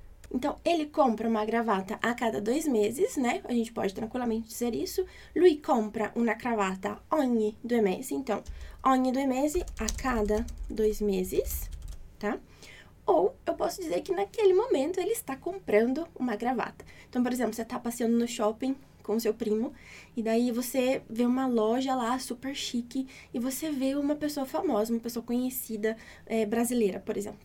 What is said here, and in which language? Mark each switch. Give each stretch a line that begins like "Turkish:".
Portuguese: Então, ele compra uma gravata a cada 2 meses, né? A gente pode tranquilamente dizer isso.
Italian: Lui compra una cravatta ogni 2 mesi.
Portuguese: Então,
Italian: ogni 2 mesi,
Portuguese: a cada 2 meses, tá? Ou eu posso dizer que naquele momento ele está comprando uma gravata. Então, por exemplo, você está passeando no shopping com o seu primo e daí você vê uma loja lá super chique e você vê uma pessoa famosa, uma pessoa conhecida, brasileira, por exemplo.